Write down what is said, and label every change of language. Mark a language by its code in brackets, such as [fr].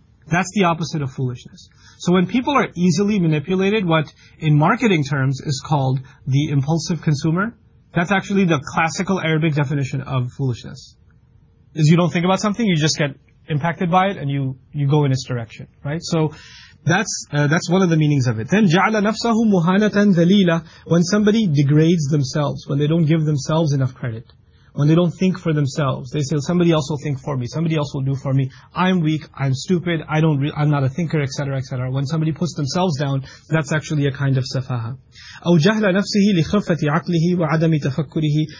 [en] That's the opposite of foolishness. So when people are easily manipulated, what in marketing terms is called the impulsive consumer, that's actually the classical Arabic definition of foolishness. Is you don't think about something, you just get impacted by it and you go in its direction, right? So that's one of the meanings of it. [ar] Then جَعْلَ نَفْسَهُ مُهَانَةً ذَلِيلًا. [en] When somebody degrades themselves, when they don't give themselves enough credit, when they don't think for themselves, they say, somebody else will think for me, somebody else will do for me, I'm weak, I'm stupid, I'm not a thinker, etc., etc. When somebody puts themselves down, that's actually a kind of safaha. [ar] أَوْ جَهْلَ نَفْسِهِ لِخَفَّةِ عَقْلِهِ وَعَدَمِ تَفَكُّرِهِ.